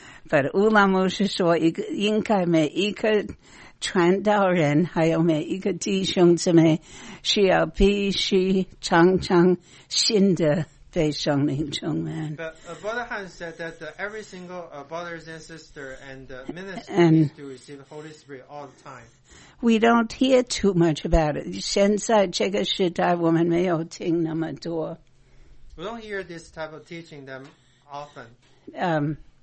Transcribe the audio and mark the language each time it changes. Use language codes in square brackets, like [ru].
[zh] But 乌拉姆是说应该每一个 传道人还有每一个弟兄姊妹需要必须常常新的被圣灵充满。 [en] But Brother Hans said that every single brothers and sisters and ministers need to receive the Holy Spirit all the time. We don't hear too much about it. [zh] 现在这个时代我们没有听那么多。 [en] We don't hear this type of teaching them often.